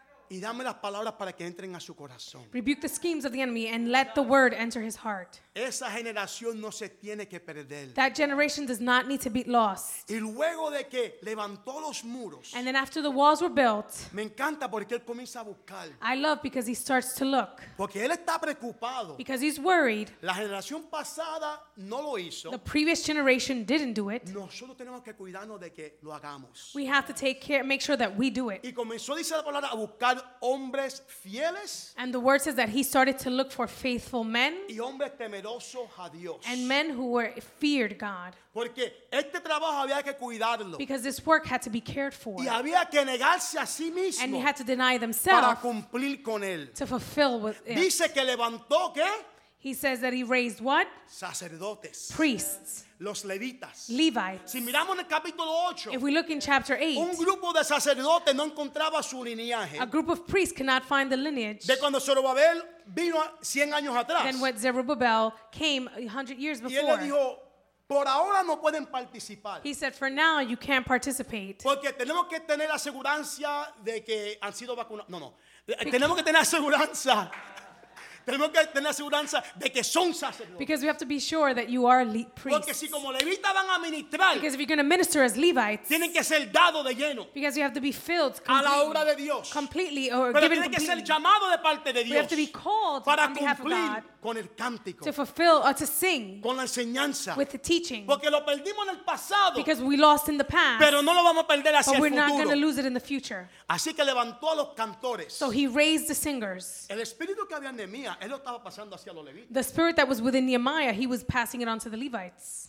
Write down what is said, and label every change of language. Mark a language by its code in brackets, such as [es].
[es] Y dame las palabras para que entren a su corazón. [en] Rebuke the schemes of the enemy and let the word enter his heart. [es] Esa generación no se tiene que perder. [en] That generation does not need to be lost. [es] Y luego de que levantó los muros. [en] And then after the walls were built. [es] Me encanta porque él comienza a buscar. [en] I love because he starts to look. [es] Porque él está preocupado. [en] Because he's worried. [es] La generación pasada no lo hizo. [en] The previous generation didn't do it. [es] Nosotros tenemos que cuidarnos de que lo hagamos. [en] We have to take care, make sure that we do it. [es] Y comenzó, dice la palabra, a buscar hombres fieles. [en] And the word says that he started to look for faithful men. [es] Y hombres temerosos. [en] And men who feared God. [es] Porque este trabajo había que cuidarlo. [en] Because this work had to be cared for. [es] Y había que negarse a sí mismo. [en] And he had to deny themselves. [es] Para cumplir con él. [en] To fulfill with it. [es] Dice que levantó qué? [en] He says that he raised what? [es] Sacerdotes. [en] Priests. [es] Los levitas. [en] Levites. [es] Si miramos en el capítulo 8, [en] if we look in chapter 8, [es] un grupo de sacerdotes no encontraba su lineaje. [en] A group of priests cannot find the lineage. [es] De cuando Zorobabel vino 100 años atrás. [en] Then when Zerubbabel came 100 years before. [es] Y él le dijo, por ahora no pueden participar. [en] He said, for now you can't participate. [es] Porque tenemos que tener aseguranza de que han sido vacunados. No, no. Tenemos que tener aseguranza. Tenemos que tener seguridad de que son sacerdotes. [en] Because we have to be sure that you are priests. [es] Porque si como levitas van a ministrar. [en] Because if you're going to minister as Levites. [es] Tienen que ser dado de lleno. [en] Because you have to be filled completely. [es] A la obra de Dios. [en] Completely or [es] Pero [en] given completely. [es] Pero tienen que ser llamado de parte de Dios. [en] We have to be called [es] para [en] on behalf of God. [es] Con el cántico. [en] To fulfill or to sing. [es] Con la enseñanza. [en] With the teaching. [es] Porque lo perdimos en el pasado. [en] Because we lost in the past. [es] Pero no lo vamos a perder hacia el futuro. [en] But we're not going to lose it in the future. [es] Así que levantó a los cantores. [en] So he raised the singers. [es] El espíritu que había en mí. Él lo estaba pasando hacia los levitas. [en] The spirit that was within Nehemiah, he was passing it on to the Levites.